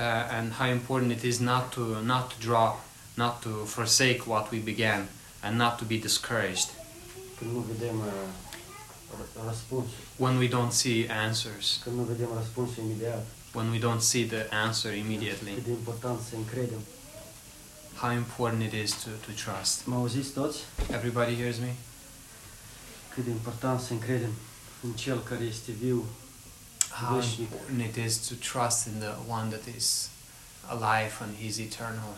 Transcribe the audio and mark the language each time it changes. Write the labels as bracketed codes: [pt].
[en] And how important it is not to forsake what we began and not to be discouraged. [ro] Când nu vedem răspuns. [en] When we don't see answers. [ro] Când nu vedem răspunsul imediat. [en] When we don't see the answer immediately. [ro] Cât de important să încredem. [en] How important it is to trust. [ro] Mă auziți toți? [en] Everybody hears me? [ro] Cât de important să încredem în Cel care este viu. [en] How important it is to trust in the one that is alive and he's eternal,